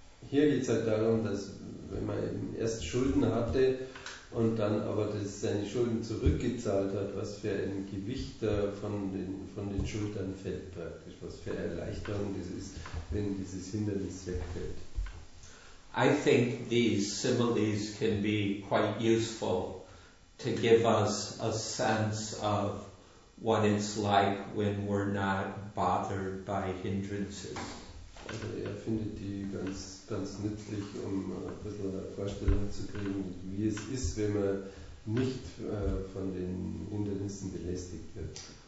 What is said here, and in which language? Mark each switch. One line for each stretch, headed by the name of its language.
German: Hier geht es halt darum, dass wenn man eben erst Schulden hatte und dann aber das seine Schulden zurückgezahlt hat, was für ein Gewicht von den Schultern fällt praktisch, was für Erleichterung das ist, wenn dieses Hindernis wegfällt.
English: I think these similes can be quite useful to give us a sense of what it's like when we're not bothered by hindrances.
German: Also er findet die ganz nützlich, um ein bisschen eine Vorstellung zu kriegen, wie es ist, wenn man nicht von den Hindernissen belästigt wird.